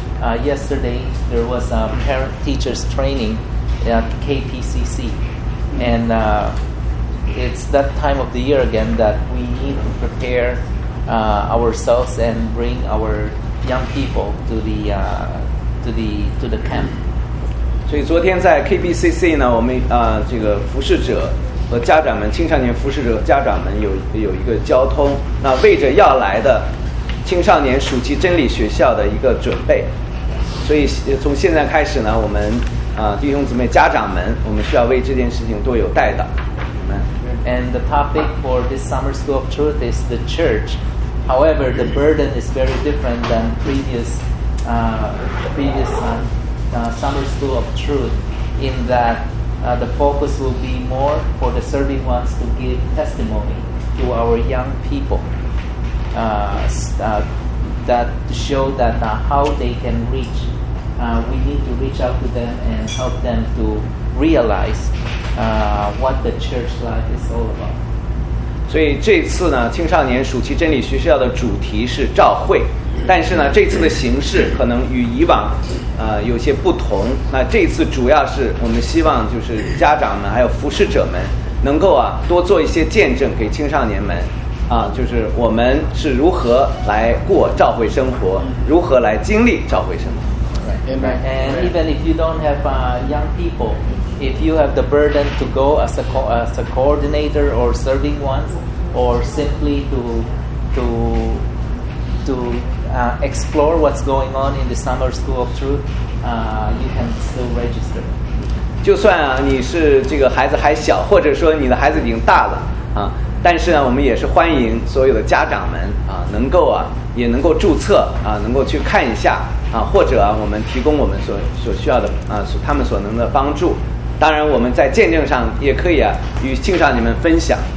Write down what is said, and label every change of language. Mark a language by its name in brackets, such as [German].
[English] Yesterday there was a parent teachers training at KPCC, and it's that time of the year again that we need to prepare ourselves and bring our young people to the camp. [Chinese] 所以昨天在 KPCC 呢，我们这个服侍者和家长们，青少年服侍者和家长们有一个交通，那为着要来的青少年暑期真理学校的一个准备。所以从现在开始呢，我们弟兄姊妹家长们，我们需要为这件事情多有带的。 [English] And the topic for this summer school of truth is the church. However, the burden is very different than previous summer school of truth, in that the focus will be more for the serving ones to give testimony to our young people that show that how they can reach. We need to reach out to them and help them to realize what the church life is all about. [Chinese] 所以这次呢，青少年暑期真理学校的主题是召会，但是呢，这次的形式可能与以往有些不同。那这次主要是我们希望就是家长们还有服侍者们能够多做一些见证给青少年们就是我们是如何来过召会生活，如何来经历召会生活。 [English] And even if you don't have young people, if you have the burden to go as a coordinator or serving ones, or simply to explore what's going on in the summer school of truth, you can still register. [Chinese] 就算你是这个孩子还小，或者说你的孩子已经大了但是呢，我们也是欢迎所有的家长们能够也能够注册能够去看一下。或者我们提供我们所需要的他们所能的帮助，当然我们在见证上也可以与青少年们分享。